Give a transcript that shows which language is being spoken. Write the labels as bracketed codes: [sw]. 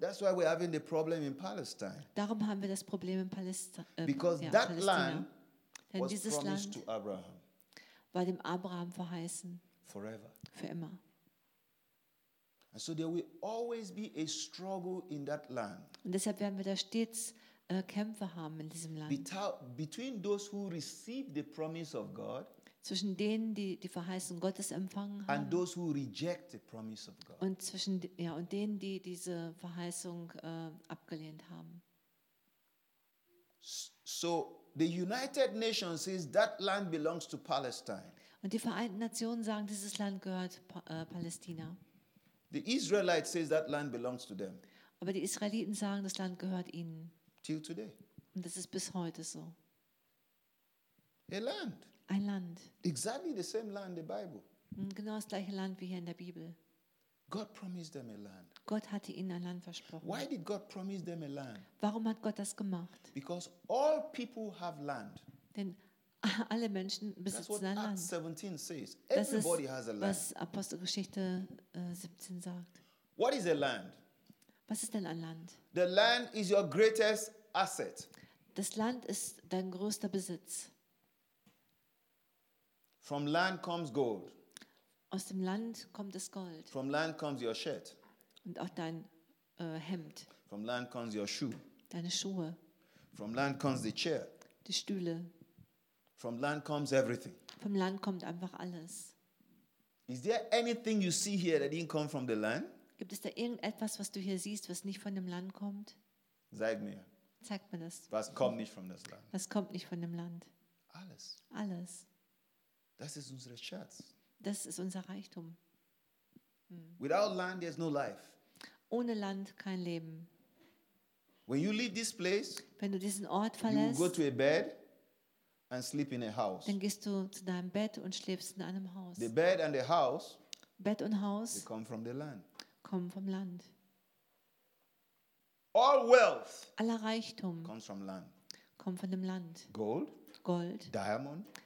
[en] That's why we're having the problem in Palestine. [de] Darum haben wir das Problem in Palestine. [en] Because [de] ja, [en] that [de] Palästina. [en] Land was promised to Abraham. [de] War dem Abraham verheißen. [en] Forever. [de] Für immer. [en] And so there will always be a struggle in that land. [de] Und deshalb werden wir da stets Kämpfe haben in diesem Land. [en] Between those who receive the promise of God, [de] zwischen denen, die die Verheißung Gottes empfangen haben, [en] and those who reject the promise of God. [de] Und zwischen ja und denen, die diese Verheißung abgelehnt haben. [en] So the United Nations says that land belongs to Palestine. [de] Und die Vereinten Nationen sagen, dieses Land gehört Palästina. [en] The Israelites says that land belongs to them. [de] Aber die Israeliten sagen, das Land gehört ihnen. [en] Till today. [de] Und das ist bis heute so. [en] A land. [de] Ein Land. [en] Exactly the same land in the Bible. [de] Genau das gleiche Land wie hier in der Bibel. [en] God promised them a land. [de] Gott hatte ihnen ein Land versprochen. [en] Why did God promise them a land? [de] Warum hat Gott das gemacht? [en] Because all people have land. [de] Denn alle Menschen besitzen ein Land. [en] 17 says. Everybody has a land. [de] Das ist, was Apostelgeschichte 17 sagt. [en] What is a land? [de] Was ist denn ein Land? [en] The land is your greatest asset. [de] Das Land ist dein größter Besitz. [en] From land comes gold. [de] Aus dem Land kommt das Gold. [en] From land comes your shirt. [de] Und auch dein Hemd. [en] From land comes your shoe. [de] Deine Schuhe. [en] From land comes the chair. [de] Die Stühle. [en] From land comes everything. [de] Vom Land kommt einfach alles. [en] Is there anything you see here that didn't come from the land? [de] Gibt es da irgendetwas, was du hier siehst, was nicht von dem Land kommt? Zeig mir. Zeig mir das. Was kommt nicht von dem Land? Was kommt nicht von dem Land? Alles. Alles. Das ist unsere Schatz. Das ist unser Reichtum. Hm. [en] Without land, there's no life. [de] Ohne Land kein Leben. [en] When you leave this place, [de] wenn du diesen Ort verlässt, [en] you go to a bed and sleep in a house. [de] Dann gehst du zu deinem Bett und schläfst in einem Haus. [en] The bed and the house, [de] Bett und Haus, [en] they come from the land. [de] Kommen vom Land. [en] All wealth, [de] aller Reichtum, [en] comes from land. [de] Kommt von dem Land. [en] Gold, [de] Gold, [en] Diamond,